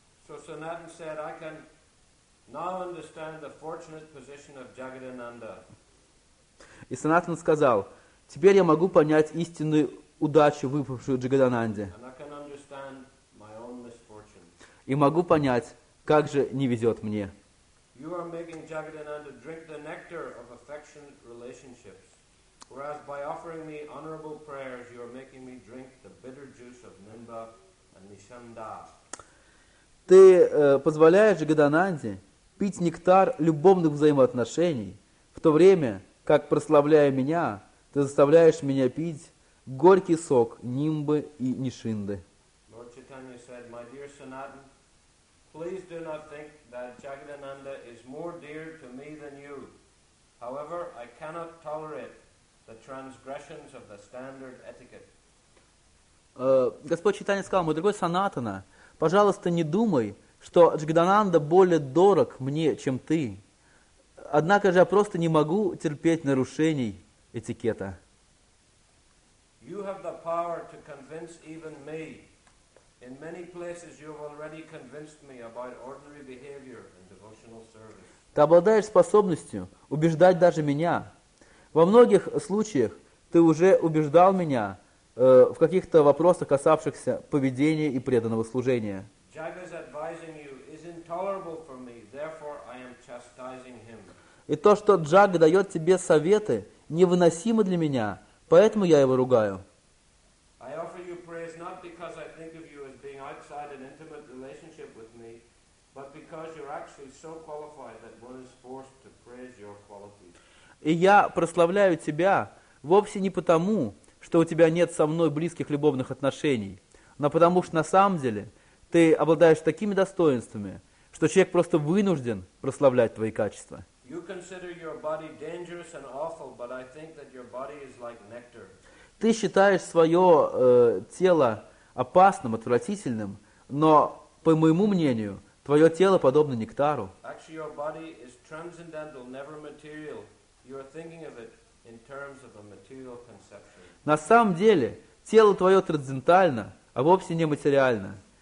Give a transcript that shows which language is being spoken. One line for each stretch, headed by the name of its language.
English: So Sanatan said, I can now understand the fortunate position of Jagadananda.
Russian: И Санатан сказал, теперь я могу понять истинную удачу, выпавшую Джагадананде.
English: And I can understand my own misfortune.
Russian: И могу понять, как же не везет мне.
English: You are making Jagadananda drink the nectar of affectionate relationships. Whereas by offering me honorable prayers, you are making me drink the bitter juice of Nimba and Nishanda.
Russian: Ты позволяешь Джагадананде пить нектар любовных взаимоотношений, в то время, как, прославляя меня, ты заставляешь меня пить горький сок Нимбы и Нишинды.
English: Lord Chaitanya said, my dear Sanatan, please do not think that Jagadananda is more dear to me than you. However, I cannot tolerate the transgressions of the standard etiquette.
Russian: Господь Чайтанья сказал, мой дорогой Санатана, пожалуйста, не думай, что Джагадананда более дорог мне, чем ты. Однако же я просто не могу терпеть нарушений этикета.
English: You have the power to convince even me. In many places you have already convinced me about ordinary behavior and devotional service.
Russian: Ты обладаешь способностью убеждать даже меня. Во многих случаях ты уже убеждал меня в каких-то вопросах, касавшихся поведения и преданного служения.
English: Jagga's advising you is intolerable for me, therefore I am chastising him.
Russian: И то, что Джагга дает тебе советы, невыносимо для меня, поэтому я его ругаю.
English: I offer you praise not because I think of you as being outside an intimate relationship with me, but because you're actually so qualified that one is forced to praise your qualities.
Russian: И я прославляю тебя вовсе не потому, что у тебя нет со мной близких любовных отношений, но потому что на самом деле ты обладаешь такими достоинствами, что человек просто вынужден прославлять твои качества.
English: You consider your body dangerous and awful, but I think that your body is like nectar.
Russian: Ты считаешь свое тело опасным, отвратительным, но, по моему мнению, твое тело подобно нектару.
English: Actually, your body is transcendental, never material. You are thinking of it in terms of a material conception.
Russian: На самом деле, тело твое трансцендентально, а вовсе не материально.